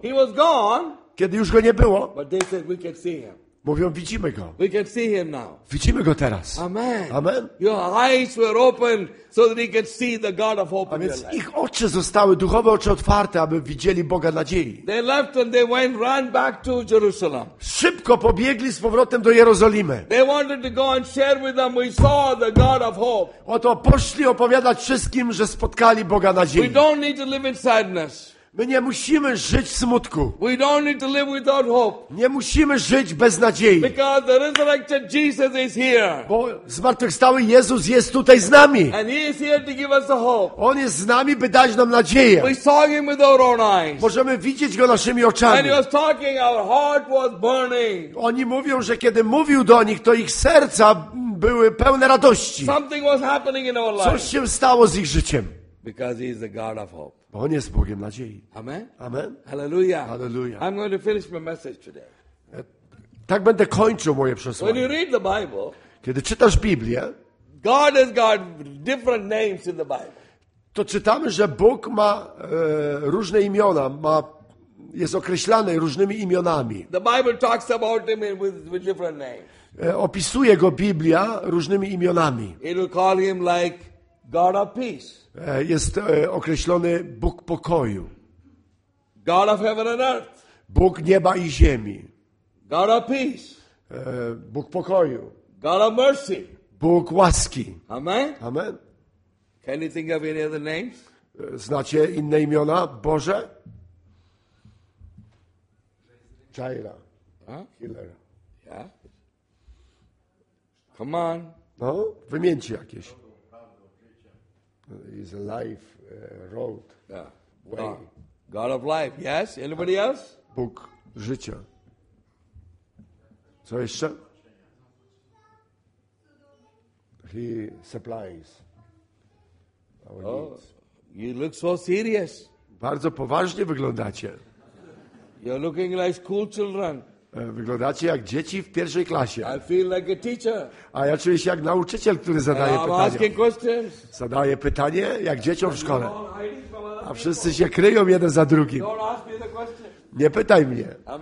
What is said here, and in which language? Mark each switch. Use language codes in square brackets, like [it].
[en] he was gone, [pl] kiedy już go nie było, [en] but they said we could see him. [pl] Mówią, widzimy go. [en] We can see him now. [pl] Widzimy go teraz. [en] Amen. [pl] Amen. [en] Your eyes were open so that he could see the God of hope. [pl] A więc ich oczy zostały, duchowe oczy otwarte, aby widzieli Boga nadziei. [en] They left and they went, ran back to Jerusalem. [pl] Szybko pobiegli z powrotem do Jerozolimy. [en] They wanted to go and share with them. We saw the God of hope. [pl] Oto poszli opowiadać wszystkim, że spotkali Boga nadziei. [en] We don't need to live in sadness. [pl] My nie musimy żyć w smutku. [en] We don't need to live without hope. [pl] Nie musimy żyć bez nadziei. [en] Because the resurrected Jesus is here. [pl] Bo zmartwychwstały Jezus jest tutaj z nami. [en] And he is here to give us the hope. [pl] On jest z nami, by dać nam nadzieję. [en] We saw him with our own eyes. [pl] Możemy widzieć go naszymi oczami. [en] And he was talking, our heart was burning. [pl] Oni mówią, że kiedy mówił do nich, to ich serca były pełne radości. [en] Something was happening in our life. [pl] Coś się stało z ich życiem. [en] Because he is the God of hope. [pl] On jest Bogiem nadziei. [en] Amen. [pl] Amen. [en] Hallelujah. [pl] Hallelujah. [en] I'm going to finish my message today. [pl] Tak będę kończył moje przesłanie. [en] When you read the Bible, [pl] kiedy czytasz Biblię, [en] God has got different names in the Bible. [pl] To czytamy, że Bóg ma różne imiona, jest określany różnymi imionami. [en] The Bible talks about him with different names. [pl] Opisuje go Biblia różnymi imionami. [en] It will call him like God of peace. [pl] Jest określony Bóg pokoju. [en] God of heaven and earth. [pl] Bóg nieba i ziemi. [en] God of peace. [pl] Bóg pokoju. [en] God of mercy. [pl] Bóg łaski. [en] Amen. [pl] Amen. [en] Can you think of any other names? [pl] Znacie inne imiona Boże? Jaira. Killer. [en] Yeah. Come on. [pl] No, wymieńcie jakieś. [en] Is a life road. Yeah. Way. God of life. Yes. Anybody else? [pl] Bóg życia. Co jeszcze? [en] He supplies our needs. You look so serious. [pl] Bardzo poważnie wyglądacie. [en] You're looking like school children. [pl] Wyglądacie jak dzieci w pierwszej klasie. [en] I feel like a teacher. [pl] A ja czuję się jak nauczyciel, który zadaje pytania. [en] Asking questions. [pl] Zadaję pytanie jak dzieciom w szkole. A wszyscy się kryją jeden za drugim. Nie pytaj mnie.